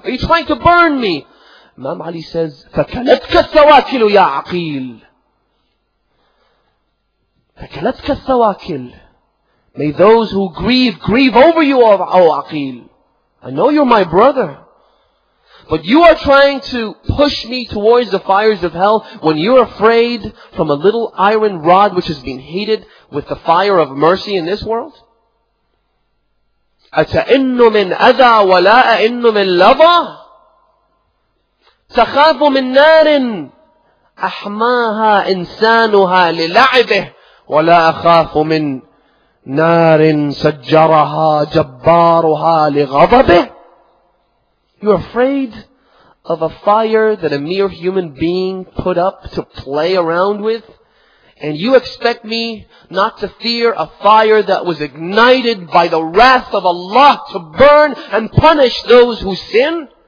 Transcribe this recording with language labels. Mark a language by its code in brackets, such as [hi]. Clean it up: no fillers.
[en] Are you trying to burn me?" Imam Ali says, [ar] "فَكَلَتْكَ الثَّوَاكِلُ يَا عَقِيلُ فَكَلَتْكَ الثَّوَاكِلُ [en] May those who grieve over you, O Aqil. I know you're my brother. But you are trying to push me towards the fires of hell when you're afraid from a little iron rod which has been heated with the fire of mercy in this world? [ar] أتئن من أذى ولا أئن من لظى تخاف من نار أحماها إنسانها للعبه ولا أخاف من نار سجرها جبارها لغضبه. [en] You're afraid of a fire that a mere human being put up to play around with? And you expect me not to fear a fire that was ignited by the wrath of Allah to burn and punish those who sin?